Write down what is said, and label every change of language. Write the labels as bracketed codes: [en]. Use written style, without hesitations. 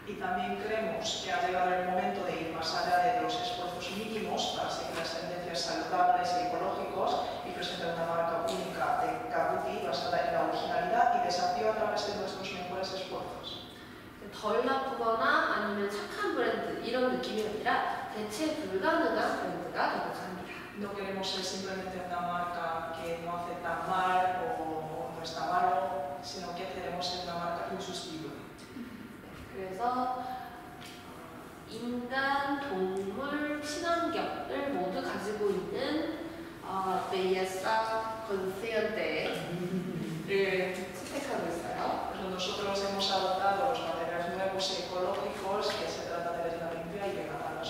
[es] Y también creemos que ha llegado el momento de ir más allá de los esfuerzos mínimos para seguir las tendencias saludables y ecológicos y presentar una marca única de K-beauty basada en la originalidad y desafío a través de nuestros mejores esfuerzos. [ko] 덜 나쁘거나 아니면 착한 브랜드 이런 느낌이 아니라 대체 불가능한 브랜드가 되고자 합니다. [es] No queremos ser simplemente una marca que no hace tan mal o no está malo, sino que queremos ser una marca insustituible. [ko] 그래서 인간, 동물, 친환경을 모두 가지고 있는 [es] belleza consciente [ko] 를 선택하고 있어요. [es] Pero nosotros hemos adoptado los materiales nuevos y ecológicos que se trata de la limpia y de la salud.